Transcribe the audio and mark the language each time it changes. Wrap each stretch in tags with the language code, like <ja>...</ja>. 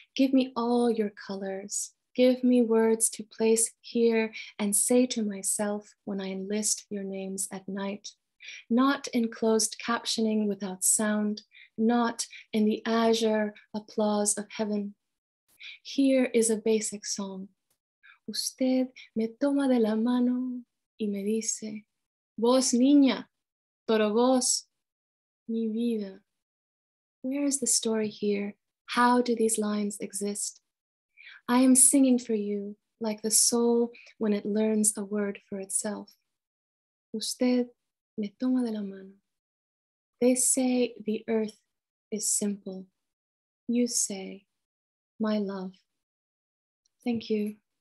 <en>Give me all your colors. Give me words to place here and say to myself when I enlist your names at night. Not in closed captioning without sound, not in the azure applause of heaven. Here is a basic song.</en> <es>Usted me toma de la mano y me dice, vos niña, pero vos, mi vida.</es> <en>Where is the story here? How do these lines exist? I am singing for you like the soul when it learns a word for itself.</en> <es>Usted me toma de la mano.</es> <en>They say the earth is simple. You say, my love. Thank you.</en>